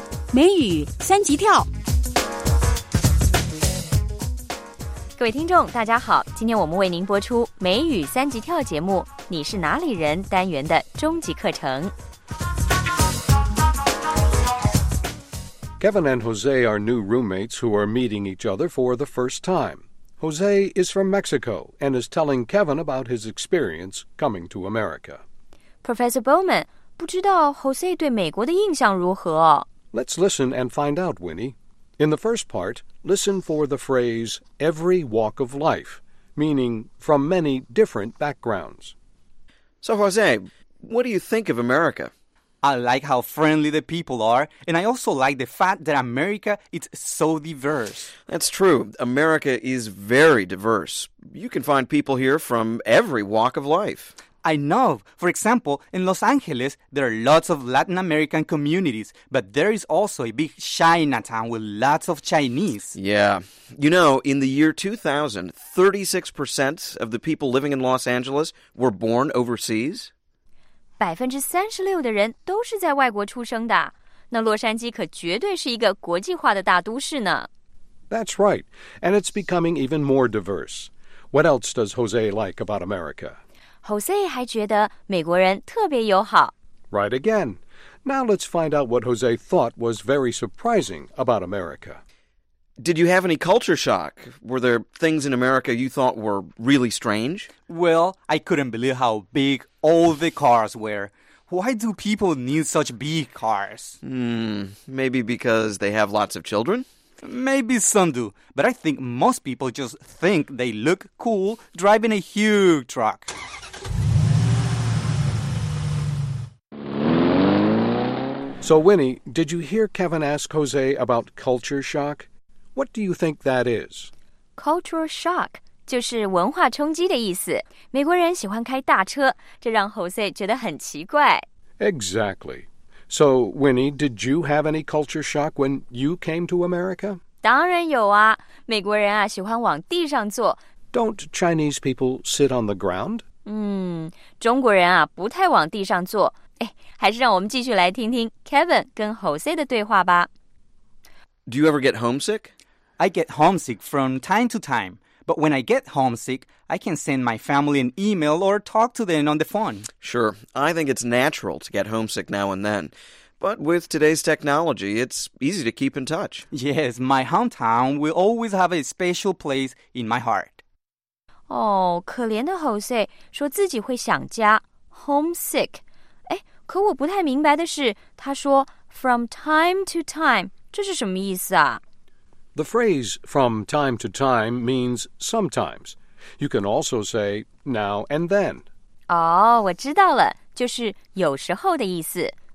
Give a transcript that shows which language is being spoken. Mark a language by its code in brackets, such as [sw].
[zh] 美语三级跳，各位听众大家好，今天我们为您播出美语三级跳节目你是哪里人单元的终极课程。 [en] Kevin and Jose are new roommates who are meeting each other for the first time. Jose is from Mexico and is telling Kevin about his experience coming to America. [zh] Professor Bowman, 不知道 Jose 对美国的印象如何？ [en] Let's listen and find out, Winnie. In the first part, listen for the phrase every walk of life, meaning from many different backgrounds. So, Jose, what do you think of America? I like how friendly the people are, and I also like the fact that America is so diverse. That's true. America is very diverse. You can find people here from every walk of life. I know. For example, in Los Angeles, there are lots of Latin American communities, but there is also a big Chinatown with lots of Chinese. Yeah. You know, in the year 2000, 36% of the people living in Los Angeles were born overseas. [zh] 36% 的人都是在外国出生的，那洛杉矶可绝对是一个国际化的大都市呢。 [en] That's right, and it's becoming even more diverse. What else does Jose like about America? [zh] Jose 还觉得美国人特别友好。 [en] Right again. Now let's find out what Jose thought was very surprising about America. Did you have any culture shock? Were there things in America you thought were really strange? Well, I couldn't believe how big... All the cars were. Why do people need such big cars? Maybe because they have lots of children? Maybe some do, but I think most people just think they look cool driving a huge truck. So, Winnie, did you hear Kevin ask Jose about culture shock? What do you think that is? [zh] Culture shock. 就是文化冲击的意思。美国人喜欢开大车，这让 Jose 觉得很奇怪。 [en] Exactly. So, Winnie, did you have any culture shock when you came to America? [zh] 当然有啊，美国人啊喜欢往地上坐。 [en] Don't Chinese people sit on the ground? [zh] 中国人啊不太往地上坐。还是让我们继续来听听 Kevin 跟 Jose 的对话吧。 [en] Do you ever get homesick? I get homesick from time to time. But when I get homesick, I can send my family an email or talk to them on the phone. Sure, I think it's natural to get homesick now and then. But with today's technology, it's easy to keep in touch. Yes, my hometown will always have a special place in my heart. [zh] Oh, 可怜的 Jose 说自己会想家 ,homesick. 可我不太明白的是他说 [en] from time to time, [zh] 这是什么意思啊? [en] The phrase from time to time means sometimes. You can also say now and then. [zh] 哦,我知道了,就是有时候的意思。